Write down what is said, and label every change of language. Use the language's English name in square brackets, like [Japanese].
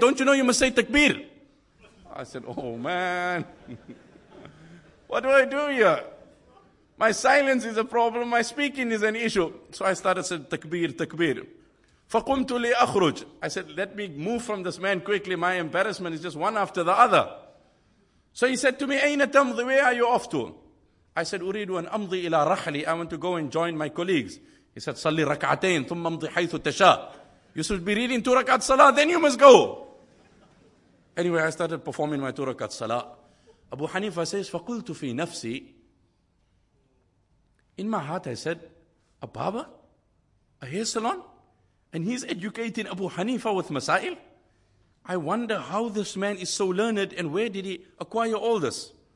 [English] Don't you know you must say takbir? I said, oh man, what do I do here? My silence is a problem, my speaking is an issue. So I started saying, takbir, takbir. [Arabic] فَقُمْتُ لِأَخْرُجْ. [English] I said, let me move from this man quickly. My embarrassment is just one after the other. So he said to me, [Arabic] أَيْنَ تَمْضِي? [English] Where are you off to? I said, [Arabic] أُرِيدُ أَنْ أَمْضِي إِلَىٰ رَحْلِي. [English] I want to go and join my colleagues. He said, [Arabic] صَلِّ رَكْعَتَيْن ثُمَّ أَمْضِي حَيْثُ تَشَاء. [English] You should be reading 2 rakat salah, then you must go. Anyway, I started performing my 2 rakat salah. Abu Hanifa says, [Arabic] فَقُلْتُ فِي نَفْسِي. [English] In my heart, I said, a barber? A hair salon? And he's educating Abu Hanifa with masail? I wonder how this man is so learned and where did he acquire all this?